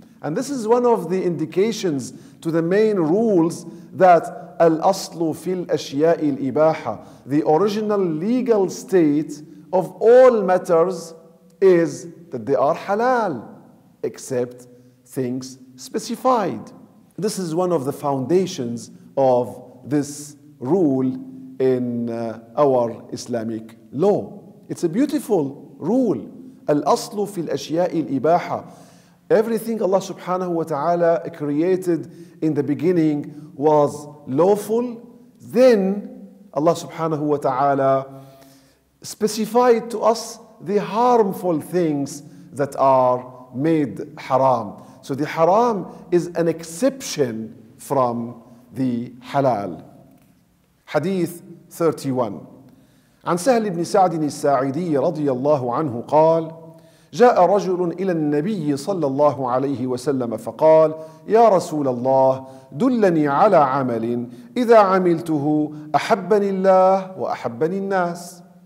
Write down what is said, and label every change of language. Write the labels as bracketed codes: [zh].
[en] And this is one of the indications to the main rules that [ar] al-aslu fil ashya' al-ibaha, [en] the original legal state of all matters is that they are halal, except things specified. This is one of the foundations of this rule in our Islamic law. It's a beautiful rule. [ar] الأصل في الأشياء الإباحة. [en] Everything Allah subhanahu wa ta'ala created in the beginning was lawful. Then Allah subhanahu wa ta'ala specified to us the harmful things that are made haram. So the haram is an exception from the halal. Hadith 31. [ar] عن سهل بن سعد الساعدي رضي الله عنه قال جاء رجل إلى النبي صلى الله عليه وسلم فقال يا رسول الله دلني على عمل إذا عملته أحبني الله وأحبني الناس.